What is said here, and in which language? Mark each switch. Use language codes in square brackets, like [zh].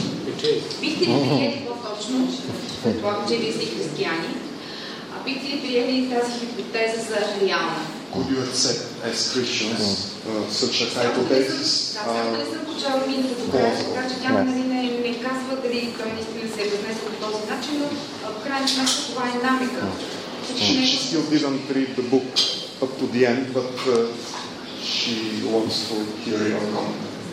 [bg] Бихте ли приели по-точно, предполагам, че вие сте християни, а бихте ли приели тази хипотеза за реална? [en] Could you accept as Christians such a hypothesis? [bg] Да, само не съм получавал мините до края, така че тя не казва дали той наистина се е възнесъл по този начин, но в крайна сметка това е намека. [en] She still didn't read the book up to the end, but she wants to hear your comment.